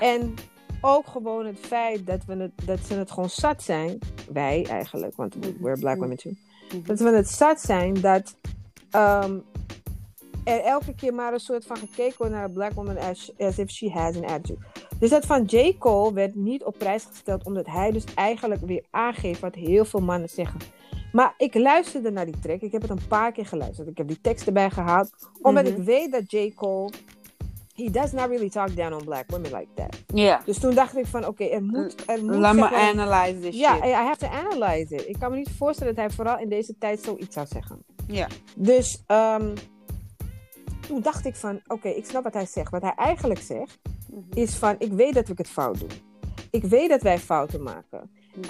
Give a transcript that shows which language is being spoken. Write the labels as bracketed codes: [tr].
[nl] En ook gewoon het feit dat ze het gewoon zat zijn, wij eigenlijk, [en] want we're black women too, [nl] dat we het zat zijn dat er elke keer maar een soort van gekeken wordt naar een black woman [en] as if she has an attitude. [nl] Dus dat van J. Cole werd niet op prijs gesteld... omdat hij dus eigenlijk weer aangeeft wat heel veel mannen zeggen. Maar ik luisterde naar die track. Ik heb het een paar keer geluisterd. Ik heb die tekst erbij gehaald. Omdat ik weet dat J. Cole... [en] He does not really talk down on black women like that. Yeah. [nl] Dus toen dacht ik van, oké, er moet [en] Let me analyze this shit. Ja, I have to analyze it. [nl] Ik kan me niet voorstellen dat hij vooral in deze tijd zoiets zou zeggen. Ja. Yeah. Dus toen dacht ik van, oké, ik snap wat hij zegt. Wat hij eigenlijk zegt... is van, ik weet dat ik het fout doe. Ik weet dat wij fouten maken. Mm-hmm.